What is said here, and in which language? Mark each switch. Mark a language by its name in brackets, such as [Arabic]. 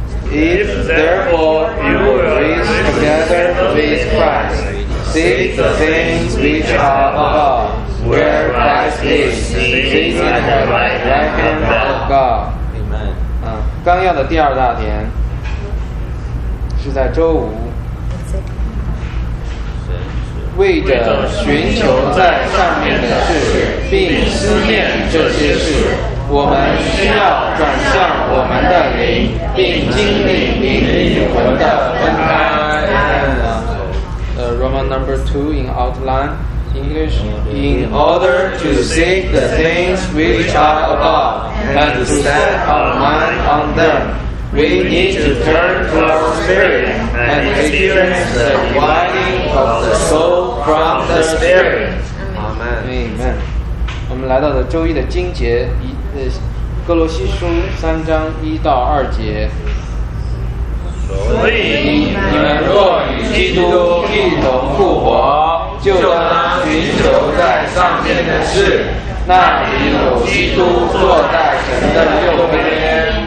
[English] If therefore you will raise together with Christ seek the things which are above, where Christ is, sitting at the right hand of God. Amen. [Chinese] 纲要的第二大点是在周五，为着寻求在上面的事，并思念这些事，我们需要转向我们的灵，并经历灵与魂的分开。 [English] Roman number 2 in outline, English. In order to seek the things which are above and to set our mind on them, we need to turn to our spirit and experience the dividing of the soul from the spirit. Amen. Amen. [Chinese] 我们来到了周一的经节，哥罗西书三章一到二节。所以你们若与基督一同复活，就当寻求在上面的事，那里有基督坐在神的右边。